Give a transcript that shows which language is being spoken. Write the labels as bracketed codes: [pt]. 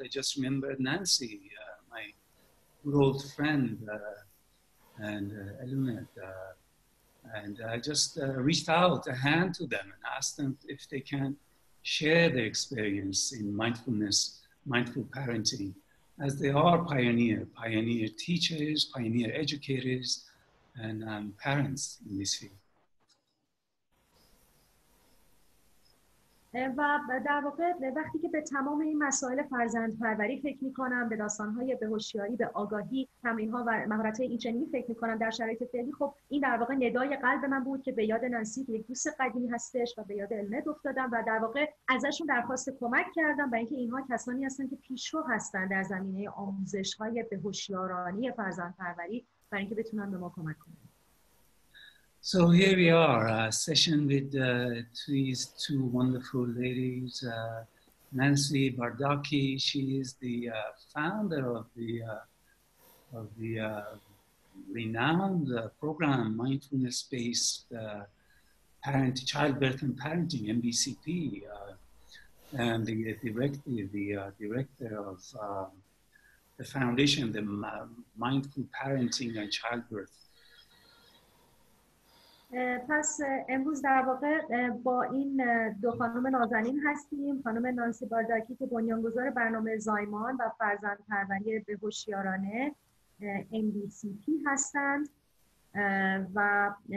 [en] I just remembered Nancy, my good old friend, and Eluned, and I just reached out a hand to them and asked them if they can share their experience in mindfulness, mindful parenting, as they are pioneer teachers, pioneer educators, and parents in this field. [fa] و در واقع وقتی که به تمام این مسائل فرزند پروری فکر می کنم، به داستان های به هوشیاری، به آگاهی، تمرین ها و مهارت های اینچنینی فکر می کنم در شرایط فعلی، خب این در واقع ندای قلب من بود که به یاد نانسی یک دوست قدیمی هستش و به یاد المد افتادم و در واقع ازشون درخواست کمک کردم، برای اینکه اینها کسانی هستن که پیشرو هستن در زمینه آموزش های به هوشیارانه فرزند پروری، برای اینکه بتونن به ما کمک کنن. [en] So here we are, a session with these two wonderful ladies, Nancy Bardacke. She is the founder of the renowned program, Mindfulness-Based Parent Childbirth and Parenting, MBCP, and the director of the foundation, the Mindful Parenting and Childbirth. [fa] پس امروز در واقع با این دو خانم نازنین هستیم، خانم نانسی بارداکی که بنیانگذار برنامه زایمان و فرزند پروری به هوشیارانه MBCP هستند و